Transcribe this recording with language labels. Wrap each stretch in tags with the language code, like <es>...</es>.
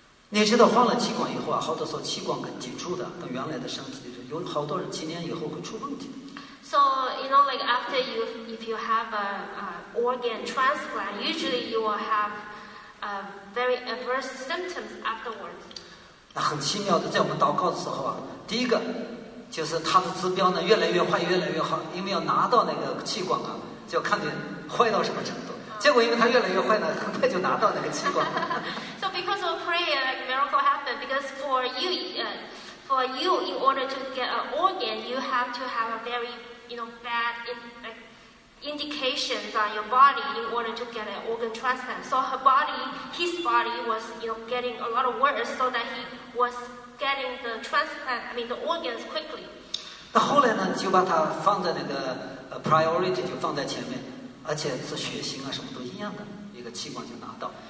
<zh>你知道换了器官以后啊，好多时候器官跟脊柱的跟原来的身体有好多人几年以后会出问题。</zh> <en>So, you know, like after you, if you have an organ transplant, usually you will have very adverse symptoms afterwards.</en> <zh>那很奇妙的，在我们祷告的时候啊，第一个就是它的指标呢越来越坏，越来越好，因为要拿到那个器官啊，就要看见坏到什么程度。结果因为它越来越坏呢，很快就拿到那个器官。</zh> <en>So because of prayer, like, miracle happened. Because for you, for you, in order to get an organ, you have to have a very, you know, bad indications on your body in order to get an organ transplant. So her body, his body was, you know, getting a lot of worse, so that he was getting the transplant, I mean, the organs quickly.</en> <zh>那后来呢，就把它放在那个priority 就放在前面，而且是血型啊什么都一样的一个器官就拿到。</zh>